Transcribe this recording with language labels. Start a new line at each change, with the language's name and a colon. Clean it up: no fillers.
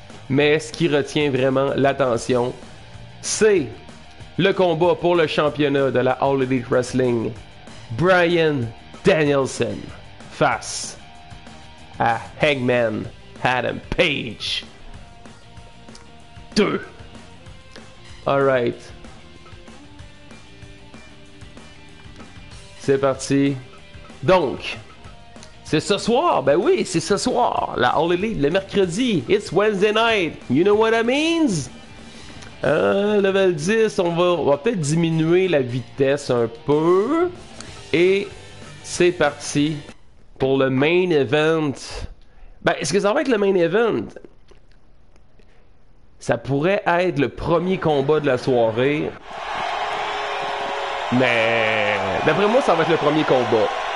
French: Mais ce qui retient vraiment l'attention, c'est le combat pour le championnat de la All Elite Wrestling, Bryan Danielson face à Hangman Adam Page 2. Alright, c'est parti. Donc, c'est ce soir, ben oui, c'est ce soir, la All Elite, le mercredi.
English: It's Wednesday night, you know what that means?
French: Level 10, on va peut-être diminuer la vitesse un peu. Et c'est parti pour le main event. Ben, est-ce que ça va être le main event? Ça pourrait être le premier combat de la soirée. Mais, d'après moi, ça va être le premier combat.